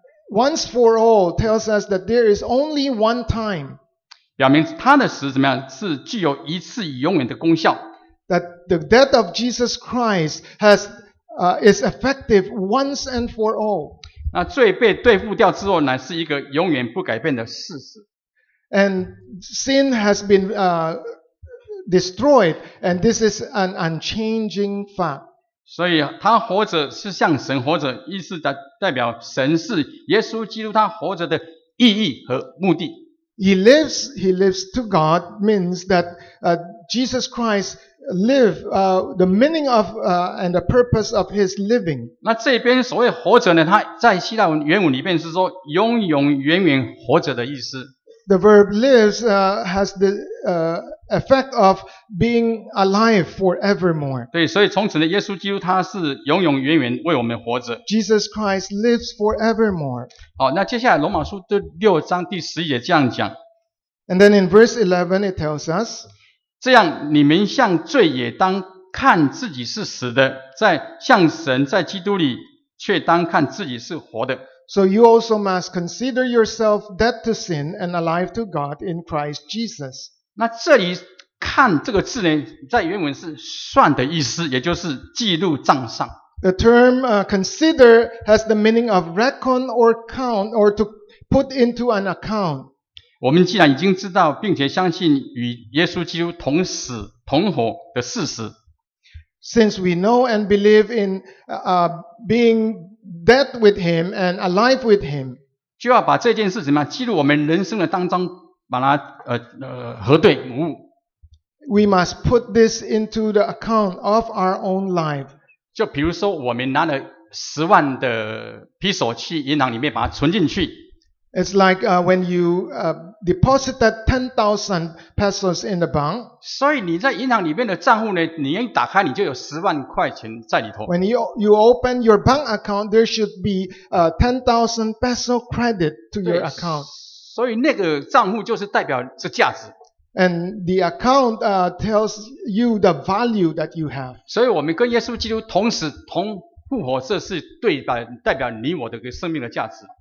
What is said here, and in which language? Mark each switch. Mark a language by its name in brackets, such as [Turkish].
[English] Once for all tells us that there is only one time. [Chinese] 表明他的死怎么样，是具有一次永远的功效。 [English] That the death of Jesus Christ has, is effective once and for all. [Chinese] 那罪被对付掉之后乃是一个永远不改变的事实。 [English] And sin has been, destroyed, and this is an unchanging fact. [Chinese] 所以他活着是像神活着，意思代表神是耶稣基督他活着的意义和目的。 [English] He lives to God means that, Jesus Christ live, the meaning of, and the purpose of his living. [Chinese] 那这边所谓活着呢，它在希腊文原文里面是说永永远远活着的意思。 [English] The verb lives, has the, effect of being alive forevermore. [Chinese] 对，所以从此呢，耶稣基督他是永永远远为我们活着。 [English] Jesus Christ lives forevermore. [Chinese] 好，那接下来罗马书第六章第十节这样讲。 [English] And then in verse 11 it tells us, [Chinese] 这样你们向罪也当看自己是死的，在向神在基督里却当看自己是活的。 [English] So you also must consider yourself dead to sin and alive to God in Christ Jesus. [Chinese] 那这里看这个字呢，在原文是算的意思，也就是记录账上。 [English] The term, consider has the meaning of reckon or count or to put into an account. [Chinese] 我们既然已经知道并且相信与耶稣基督同死同活的事实。 [English] Since we know and believe in, being dead with him and alive with him, [Chinese] 就要把这件事怎么样记录我们人生的当中，把它核对无误。 [English] We must put this into the account of our own life. [Chinese] 就比如说我们拿了十万的披索去银行里面把它存进去。 [English] It's like, when you, deposited 10,000 pesos in the bank. [Chinese] 所以你在银行里面的账户呢，你一打开你就有十万块钱在里头。 [English] When you open your bank account, there should be, 10,000 peso credit to your account. [Chinese] 所以那个账户就是代表是价值。 [English] And the account, tells you the value that you have. [Chinese] 所以我们跟耶稣基督同死同复活，这是对代表你我的个生命的价值。